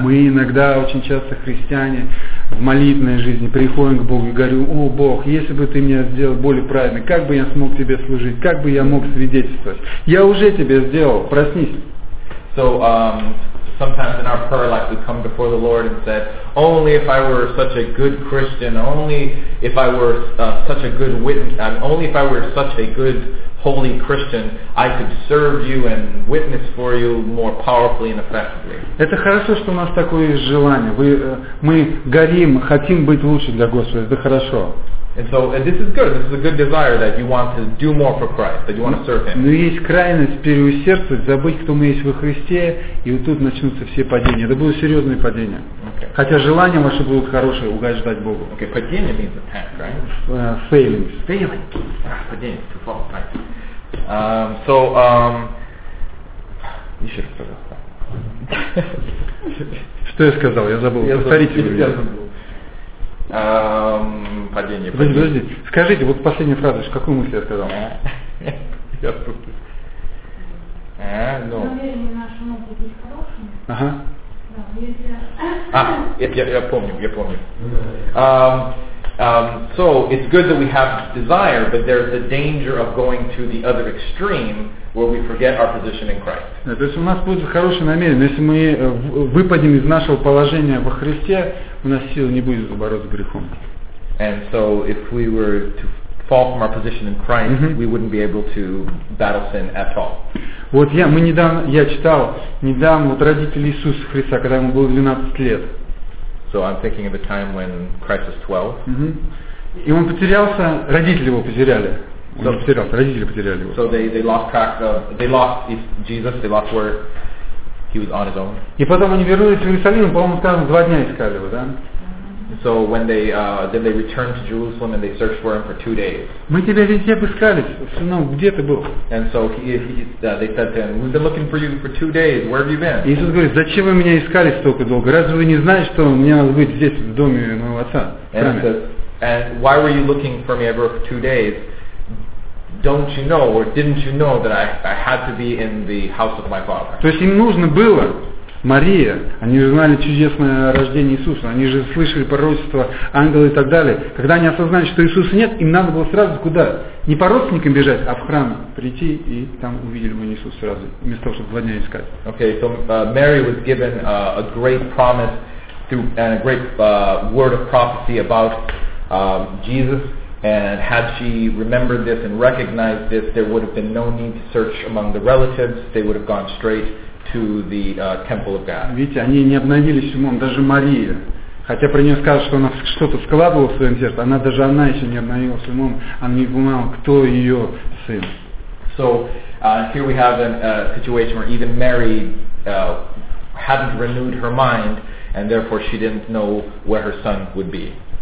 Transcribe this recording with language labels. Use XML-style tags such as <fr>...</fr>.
<ru>Мы иногда очень часто христиане. В молитвенной жизни приходим к Богу и говорю: «О, Бог, если бы ты меня сделал более праведным, как бы я смог тебе служить, как бы я мог свидетельствовать? Я уже тебе сделал, проснись».</ru> <en>So, sometimes in our prayer life we come before the Lord and say, only if I were such a good Christian, only if I were such a good witness, only if I were such a good holy Christian, I could serve you and witness for you more powerfully and effectively.</en> <ru>Это хорошо, что у нас такое желание. Мы горим, хотим быть лучше для Господа. Это хорошо.</ru> <en>And so this is good. This is a good desire that you want to do more for Christ, that you want to serve Him.</en> <ru>Но есть крайность переусердствовать, забыть, кто мы есть во Христе, и вот тут начнутся все падения. Это будут серьезные падения.</ru> <en>Okay.</en> <ru>Хотя желания ваши будут хорошие, угождать Богу.</ru> <en>Okay, падение means attack, right? Failings. Failing. Падение, to fall, right? So you should have forgotten that.</en> <ru>Что я сказал? Я забыл. Повторите. Падение. Подожди. Скажите, вот последняя фраза, какую мысль я сказал? Я помню.</ru> <en>So it's good that we have desire, but there's a danger of going to the other extreme where we forget our position in Christ.</en> <ru>То есть у нас будет хорошее намерение, если мы выпадем из нашего положения во Христе, у нас силы не будет бороться с грехом.</ru> <en>And so if we were to fall from our position in Christ, mm-hmm. we wouldn't be able to battle sin at all.</en> <ru>Вот я читал недавно вот родители Иисуса Христа, когда ему было 12 лет.</ru> <en>So I'm thinking of a time when Christ was 12. Mm-hmm.</en> <ru>И он потерялся, родители его потеряли. Он потерялся, родители потеряли его.</ru> <en>So they lost track of, they lost Jesus, they lost where he was on his own.</en> <ru>И потом они вернулись в Иерусалим, по-моему, сказано, два дня искали его, да?</ru> <en>So when they then they returned to Jerusalem and they searched for him for 2 days.</en> <ru>Мы тебя везде искали, сынок, где ты был?</ru> <en>And so they said to him, we've been looking for you for 2 days. Where have you been?</en> <ru>Иисус говорит, зачем вы меня искали столько долго? Разве вы не знаете, что мне надо быть здесь в доме моего отца?</ru> <en>And why were you looking for me ever for 2 days? Don't you know or didn't you know that I had to be in the house of my father?</en> <ru>То есть им нужно было. Мария, они же знали чудесное рождение Иисуса, они же слышали пророчество ангела и так далее. Когда они осознали, что Иисуса нет, им надо было сразу куда? Не по родственникам бежать, а в храм прийти, и там увидели бы Иисуса сразу, вместо того, чтобы 2 дня искать.</ru> <en>Okay, so Mary was given a great promise through and a great word of prophecy about Jesus. And had she remembered this and recognized this, there would have been no need to search among the relatives. They would have gone straight to the temple of God.</en> <ru>Видите, они не обновились умом, даже Мария. Хотя про нее сказали, что она что-то складывала в своем сердце, она даже она еще не обновилась умом, она не понимала, кто ее сын.</ru> <en>So here we have a situation where even Mary hadn't renewed her mind, and therefore she didn't know where her son would be.</en>